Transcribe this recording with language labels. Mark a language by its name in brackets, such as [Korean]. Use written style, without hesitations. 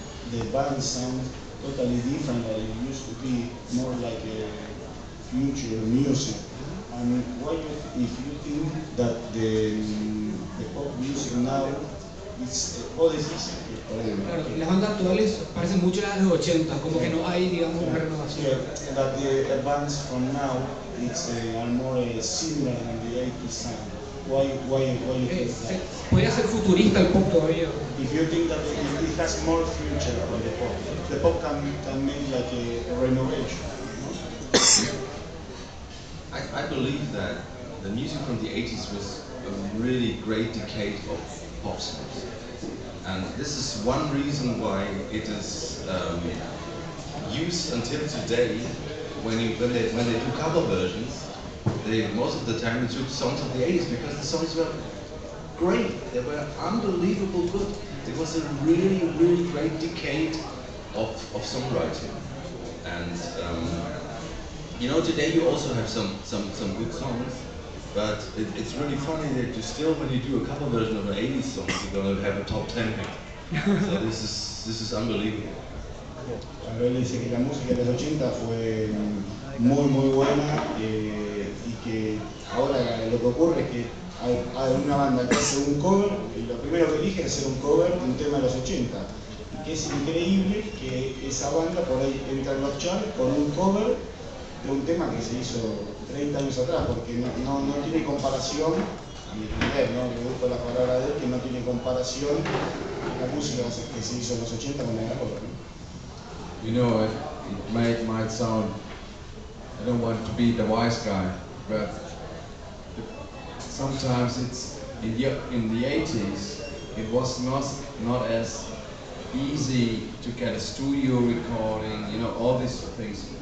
[English] The band sounds totally different than it used to be, more like a future music. And why if you think that the pop music now is oldies? [Spanish] Claro, las bandas actuales parecen mucho las de los 80, como que no hay, digamos, una renovación. [English] Yeah, that the bands from now it's are more similar than the 80s sound. Why [Spanish] puede ser futurista el pop todavía. [English] If you think that it has more future than the pop can make like a renovation. I believe that the music from the 80s was a really great decade of pop songs, and this is one reason why it is used until today. When they do cover versions, they most of the time they took songs of the 80s because the songs were great. They were unbelievable good. It was a really, really great decade of songwriting. And you know, today you also have some good songs, but it's really funny that you still, when you do a cover version of an 80s song, you're gonna have a top 10 pick. So this is unbelievable. [Spanish] A ver, dice que la música de los 80 fue muy muy buena, y que ahora lo que ocurre es que hay una banda que hace un cover y lo primero que elige es hacer un cover de un tema de los 80, y que es increíble que esa banda por ahí entra en los charts con un cover de un tema que se hizo 30 años atrás, porque no tiene comparación, a mi entender, ¿no? Me gusta la palabra de él, que no tiene comparación la música que se hizo en los 80 con la cover, ¿no? [English] You know, it might sound, I don't want to be the wise guy, but sometimes it's, in the 80s, it was not as easy to get a studio recording, you know, all these things.